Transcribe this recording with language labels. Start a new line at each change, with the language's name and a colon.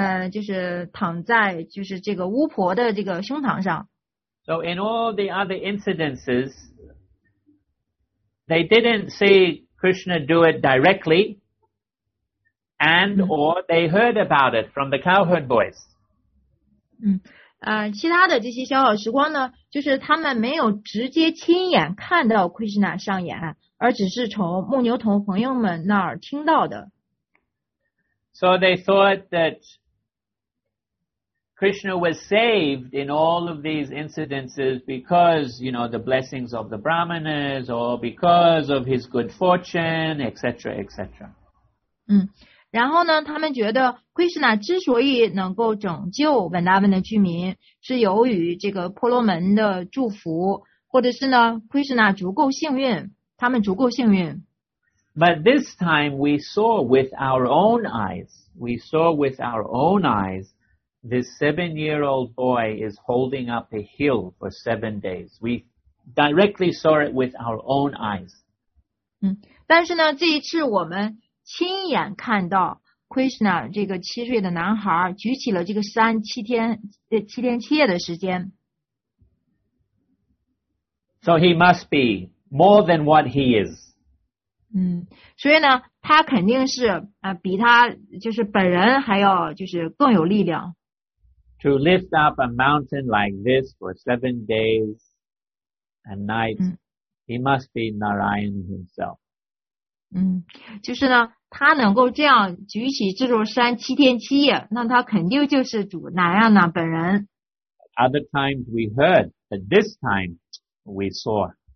Chinese: 就是躺在就是这个巫婆的这个胸膛上。
English: So in all the other incidences, they didn't see Krishna do it directly, and or they heard about it from the cowherd boys.
Chinese: 其他的这些小小时光呢，就是他们没有直接亲眼看到 Krishna 上演，而只是从牧牛童朋友们那儿听到的。
English: So they thought that Krishna was saved in all of these incidences because, you know, the blessings of the brahmanas or because of his good fortune, etc., etc.
Chinese: 然后呢，他们觉得 Krishna 之所以能够拯救 Vrindavan 的居民，是由于这个婆罗门的祝福，或者是呢 ，Krishna 足够幸运，他们足够幸运。
English: But this time we saw with our own eyes, we saw with our own eyes, this seven-year-old boy is holding up a hill for 7 days. We directly saw it with our own eyes.
Chinese: 但是呢，这一次我们亲眼看到 Krishna 这个七岁的男孩举起了这个山七天七夜的时间。
English: So he must be more than what he is.
Chinese: 所以呢，他肯定是比他就是本人还要就是更有力量。
English: To lift up a mountain like this for 7 days and nights, he must be Narayan himself.
Chinese: 就是呢，他能够这样举起这座山七天七夜，那他肯定就是主南亚那本人。
English: Other times we heard, but this time we saw.